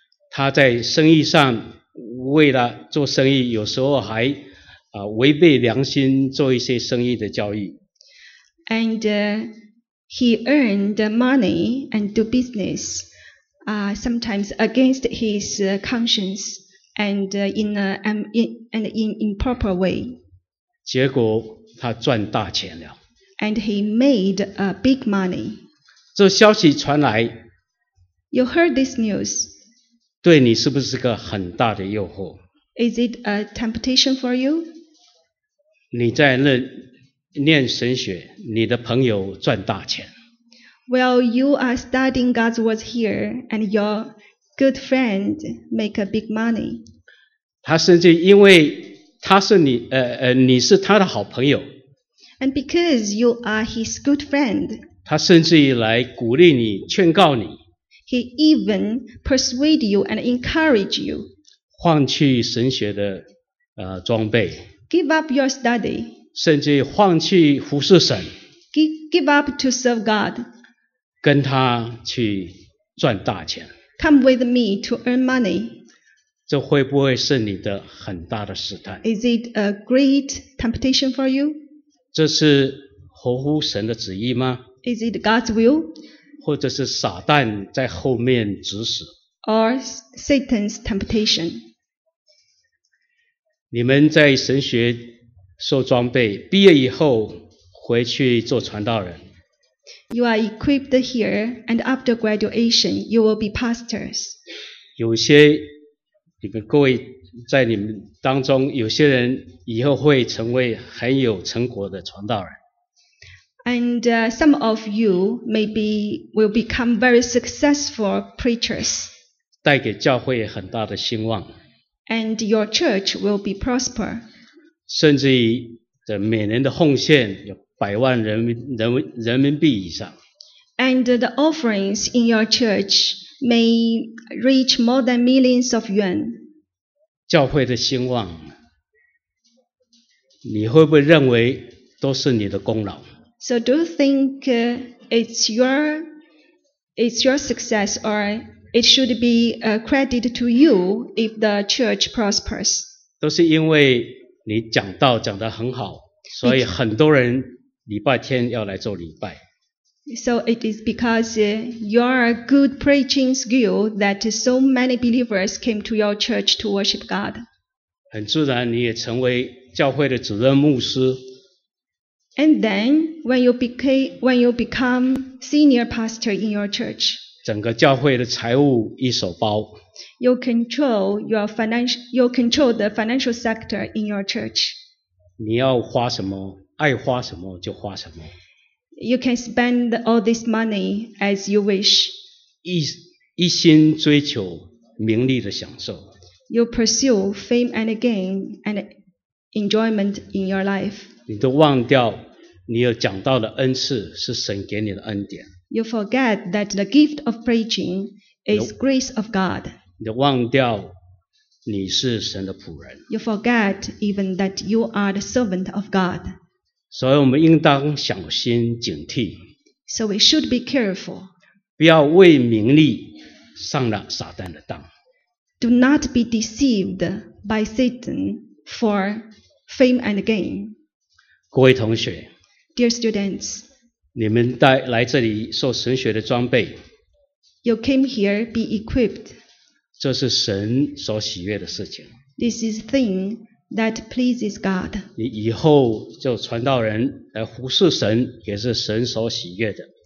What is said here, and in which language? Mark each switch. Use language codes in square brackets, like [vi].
[zh] 他在生意上为了做生意，有时候还违背良心做一些生意的交易。 [en] And he earned money and do business, sometimes against his conscience and in improper way. [zh] 结果他赚大钱了。 [en] And he made a big money. [zh] 这消息传来。 [en] You heard this news. [zh] 对你是不是个很大的诱惑？ [en] Is it a temptation for you? [zh] 你在那念神学，你的朋友赚大钱。 [en] Well, you are studying God's words here, and your good friend make a big money. [zh] 他甚至因为他是你你是他的好朋友。 [en] And because you are his good friend. [zh] 他甚至于来鼓励你，劝告你。 [en] He even persuade you and encourage you. [zh] 换去神学的装备。 [en] Give up your study. [zh] 甚至于换去服侍神。 [en] Give up to serve God. [zh] 跟他去赚大钱。 [en] Come with me to earn money. [zh] 这会不会是你的很大的试探？ [en] Is it a great temptation for you? [zh] 这是合乎神的旨意吗？ [en] Is it God's will? [zh] 或者是撒旦在后面指使？ [en] Or Satan's temptation? [zh] 你们在神学受装备，毕业以后回去做传道人。 [en] You are equipped here, and after graduation, you will be pastors. [zh] 有些你们各位在你们当中，有些人以后会成为很有成果的传道人。 [en] And some of you maybe will become very successful preachers. [zh] 带给教会很大的兴旺。 [en] And your church will be prosper. [zh] 甚至于这每年的奉献有百万人民币以上。 [en] And the offerings in your church may reach more than millions of yuan. [zh] 教会的兴旺，你会不会认为都是你的功劳？ [en] So do you think it's your success, or it should be a credit to you if the church prospers? [zh] 都是因为你讲道讲得很好，所以很多人礼拜天要来做礼拜。 [en] So it is because your good preaching skill that so many believers came to your church to worship God. [zh] 很自然你也成为教会的主任牧师。 [en] And then when you become senior pastor in your church, [zh] 整个教会的财务一手包。 [en] You control the financial sector in your church. [zh] 你要花什么，爱花什么就花什么。 [en] You can spend all this money as you wish. [zh] 一心追求名利的享受。 [en] You pursue fame and gain and enjoyment in your life. [zh] 你都忘掉你有讲道的恩赐是神给你的恩典。 [en] You forget that the gift of preaching is grace of God. [zh] 你都忘掉你是神的仆人。 [en] You forget even that you are the servant of God. [zh] 所以我们应当小心警惕。 [en] So we should be careful. [zh] 不要为名利上了撒旦的当。 [en] Do not be deceived by Satan for fame and gain. [zh] 各位同学。 [en] Dear students. [zh] 你们带来这里受神学的装备。 [en] You came here be equipped. [zh] 这是神所喜悦的事情。 [en] This is thing. That pleases God. [zh] 你以后就传道人来服侍神，也是神所喜悦的。